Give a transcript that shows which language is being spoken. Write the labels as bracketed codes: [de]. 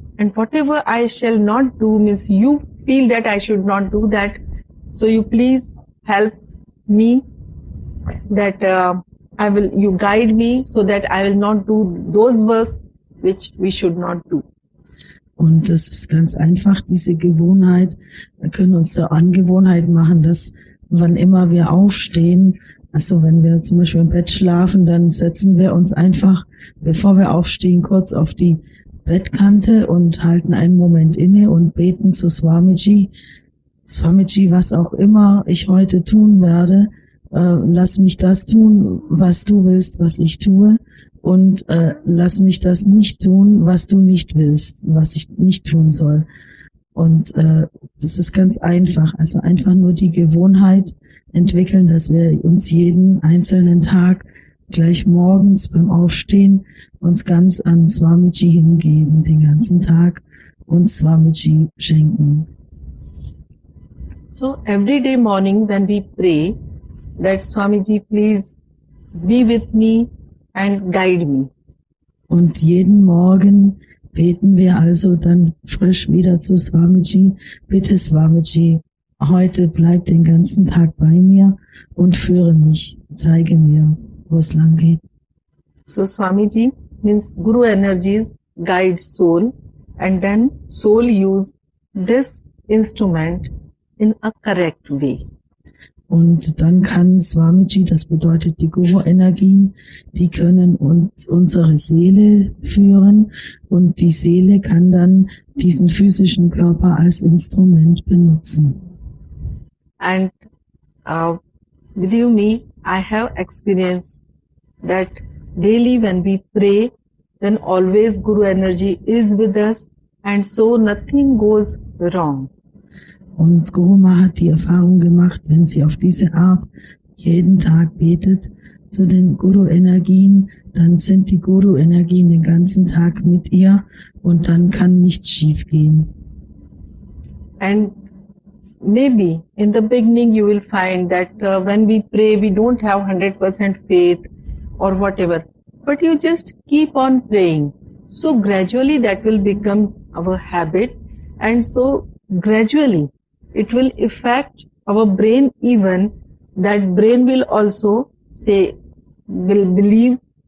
[en] And whatever I shall not do, means you feel that I should not do that. So you please help me that I will, you guide me so that I will not do those works which we should not do. [de] Und das ist ganz einfach, diese Gewohnheit. Wir können uns zur Angewohnheit machen, dass wann immer wir aufstehen, also wenn wir zum Beispiel im Bett schlafen, dann setzen wir uns einfach, bevor wir aufstehen, kurz auf die Bettkante und halten einen Moment inne und beten zu Swamiji. Swamiji, was auch immer ich heute tun werde, lass mich das tun, was du willst, was ich tue. Und lass mich das nicht tun, was du nicht willst, was ich nicht tun soll. Und das ist ganz einfach. Also einfach nur die Gewohnheit entwickeln, dass wir uns jeden einzelnen Tag gleich morgens beim Aufstehen uns ganz an Swamiji hingeben, den ganzen Tag uns Swamiji schenken. [en] So every day morning when we pray that Swamiji please be with me and guide me. [de] Und jeden Morgen beten wir also dann frisch wieder zu Swamiji. Bitte Swamiji, heute bleib den ganzen Tag bei mir und führe mich, zeige mir, wo es lang geht. [en] So Swamiji means Guru energies guide soul and then soul use this instrument in a correct way. [de] Und dann kann Swamiji, das bedeutet die Guru-Energien, die können uns unsere Seele führen und die Seele kann dann diesen physischen Körper als Instrument benutzen. [en] And believe me, I have experience that daily when we pray, then always Guru energy is with us and so nothing goes wrong. [de] Und Guru Ma hat die Erfahrung gemacht, wenn sie auf diese Art jeden Tag betet zu den Guru-Energien, dann sind die Guru-Energien den ganzen Tag mit ihr und dann kann nichts schief gehen. [en] And maybe in the beginning you will find that when we pray, we don't have 100% faith or whatever. But you just keep on praying. So gradually that will become our habit and so gradually it will affect our brain even, that brain will also say, will believe